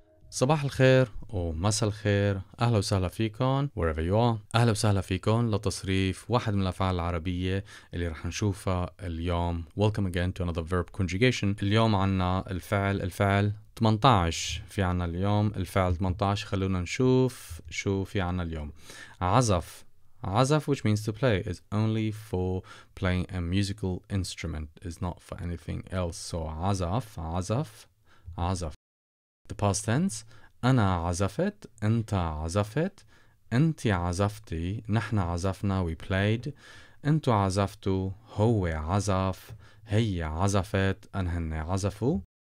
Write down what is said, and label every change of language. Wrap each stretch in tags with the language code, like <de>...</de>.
<ar>صباح الخير ومساء الخير، أهلا وسهلا فيكم</ar> <en>wherever you are.</en> <ar>أهلا وسهلا فيكم لتصريف واحد من الأفعال العربية اللي رح نشوفها اليوم.</ar> <en>Welcome again to another verb conjugation.</en> <ar>اليوم عنا الفعل 18. في عنا اليوم الفعل 18. خلونا نشوف شو في عنا اليوم.</ar> <en>عزف which means to play is only for playing a musical instrument, is not for anything else. So عزف. The past tense,</en> <ar>أنا عزفت, أنت عزفت, أنت عزفتي, نحن عزفنا,</ar> <en>we played,</en> <ar>أنتو عزفتو, هو عزف, هي عزفت, أنهن عزفوا.</ar>